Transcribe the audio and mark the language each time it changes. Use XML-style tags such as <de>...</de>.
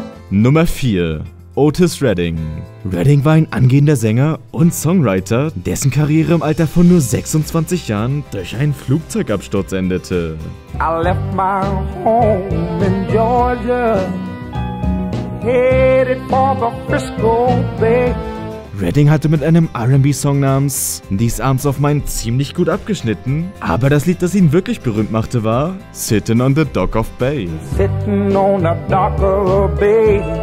<de>Nummer 4. Otis Redding. Redding war ein angehender Sänger und Songwriter, dessen Karriere im Alter von nur 26 Jahren durch einen Flugzeugabsturz endete.</de> <en>I left my home in Georgia, headed for the Frisco Bay.</en> <de>Redding hatte mit einem R&B-Song namens These Arms of Mine ziemlich gut abgeschnitten, aber das Lied, das ihn wirklich berühmt machte, war Sitting on the Dock of Bay.</de> <en>Sitting on the Dock of Bay.</en>